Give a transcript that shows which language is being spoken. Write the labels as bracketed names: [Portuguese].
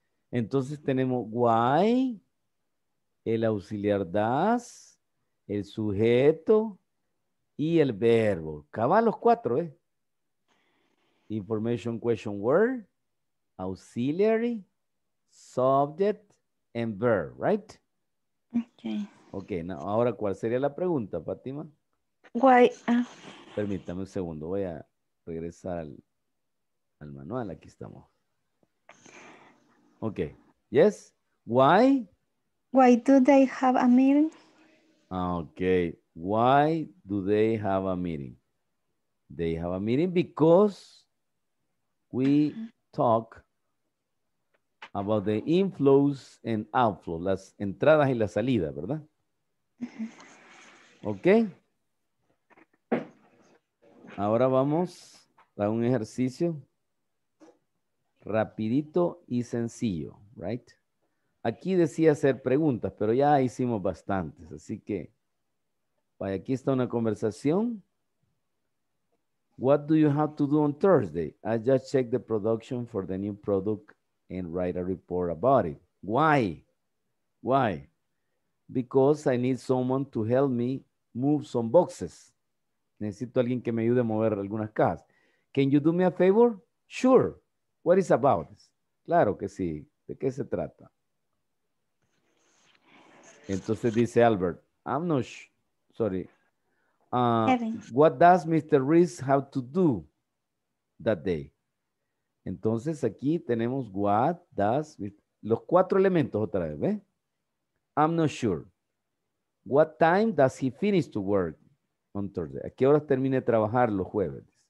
[Spanish] Entonces tenemos why, el auxiliar does, el sujeto y el verbo. Cabal los cuatro, ¿eh? [English] Information question word, auxiliary, subject, and verb, right? Okay. [Spanish] Ok, now, ahora, ¿cuál sería la pregunta, Fátima? [English] Why? [Spanish] Permítame un segundo, voy a regresar al manual, aquí estamos. [English] Ok, yes, why? Why do they have a meeting? Ah, ok, why do they have a meeting? They have a meeting because we talk about the inflows and outflows, [Spanish] las entradas y las salidas, ¿verdad? Ok, ahora vamos a un ejercicio rapidito y sencillo, right? Aquí decía hacer preguntas, pero ya hicimos bastantes, así que vaya, aquí está una conversación. [English] What do you have to do on Thursday? I just checked the production for the new product and write a report about it. Why? Why? Because I need someone to help me move some boxes. [Spanish] Necesito alguien que me ayude a mover algunas cajas. [English] Can you do me a favor? Sure. What is about this? [Spanish] Claro que sí. ¿De qué se trata? Entonces dice [English] Albert, I'm not sure. Sorry. What does Mr. Reese have to do that day? [Spanish] Entonces aquí tenemos [English] what does [Spanish] los cuatro elementos otra vez, ¿ve? [English] I'm not sure. What time does he finish to work on Thursday? [Spanish] ¿A qué horas termina de trabajar los jueves?